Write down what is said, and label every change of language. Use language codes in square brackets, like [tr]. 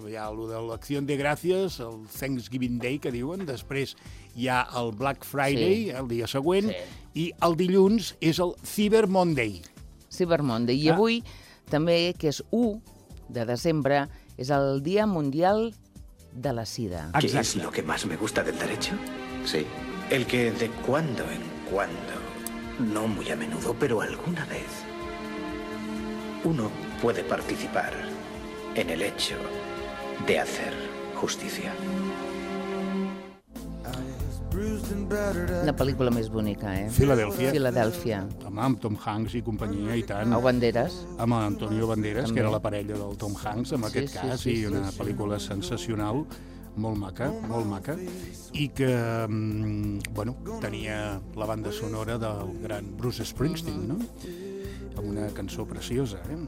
[ca] Hi ha el de l'Acció de Gràcies, el Thanksgiving Day, que diuen, després hi ha el Black Friday, sí. El dia següent, sí. I el dilluns és el Cyber Monday. Cyber Monday. I avui, també, que és 1 de desembre, és el Dia Mundial de la Sida. Exacte. [es] ¿Qué es lo que más me gusta del derecho? Sí. El que de cuando en cuando, no muy a menudo, pero alguna vez... Uno puede participar en el hecho de hacer justicia. [ca] La pel·lícula més bonica, eh? Filadèlfia. Home, amb Tom Hanks i companyia, i tant. O Banderas. Amb Antonio Banderas, també. Que era la parella del Tom Hanks, en aquest cas, i una pel·lícula sensacional, molt maca, i que, bueno, tenia la banda sonora del gran Bruce Springsteen, no?, amb una cançó preciosa, eh?